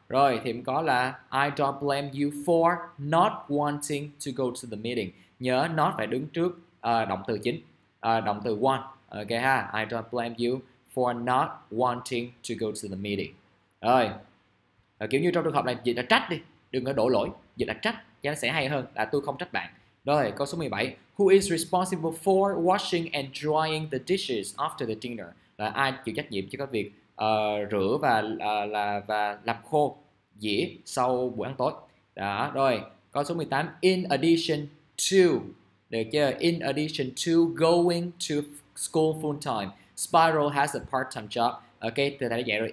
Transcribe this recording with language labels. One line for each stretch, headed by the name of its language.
Vietnamese: Rồi thì có là
English: I don't blame you for not wanting to go to the meeting.
Vietnamese: Nhớ not phải đứng trước động từ chính. Động từ want. Ok ha?
English: I don't blame you for not wanting to go to the meeting.
Vietnamese: Rồi. Kiểu như trong trường hợp này dịch là trách đi, đừng có đổ lỗi, dịch là trách cho nó sẽ hay hơn là tôi không trách bạn. Rồi, câu số 17.
English: Who is responsible for washing and drying the dishes after the dinner?
Vietnamese: Là ai chịu trách nhiệm cho cái việc rửa và làm khô dĩa sau buổi ăn tối. Đó, rồi, câu số 18.
English: In addition to,
Vietnamese: được chưa?
English: In addition to going to school full time, Spiral has a part-time job. Ok,
Vietnamese: thì thầy đã dạy rồi.